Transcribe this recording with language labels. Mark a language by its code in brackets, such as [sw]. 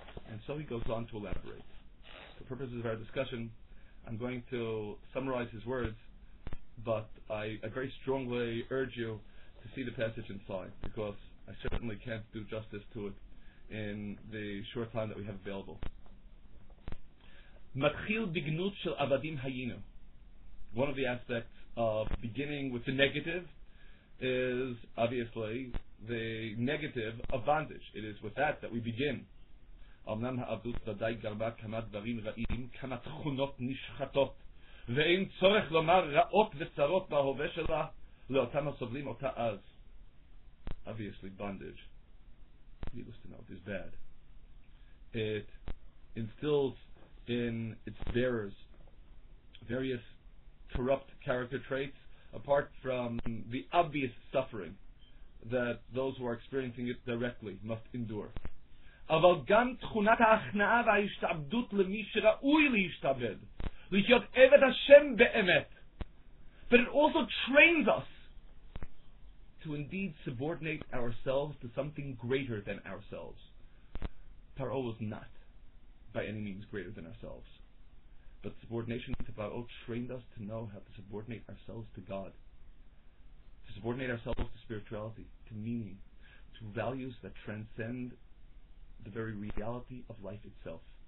[en] And so he goes on to elaborate. For purposes of our discussion, I'm going to summarize his words, but I very strongly urge you to see the passage inside, because I certainly can't do justice to it in the short time that we have available. [he] Matchil bignut shel avadim hayinu. [en] One of the aspects of beginning with the negative is obviously the negative of bondage. It is with that we begin. [he] אמנם העבדות ודאי גרמה כמה דברים רעים, כמה תכונות נשחטות, ואין צורך לומר רעות וצרות בהווה שלה לאותם הסובלים אותה אז. [en] Obviously, bondage, needless to know, is bad. It instills in its bearers various corrupt character traits, apart from the obvious suffering that those who are experiencing it directly must endure. [he] אבל גם תכונת ההכנעה וההשתעבדות למי שראוי להשתעבד, להיות עבד השם באמת. [en] But it also trains us to indeed subordinate ourselves to something greater than ourselves. Paro was not by any means greater than ourselves. But subordination to Paro trained us to know how to subordinate ourselves to God, to subordinate ourselves to spirituality, to meaning, to values that transcend the very reality of life itself.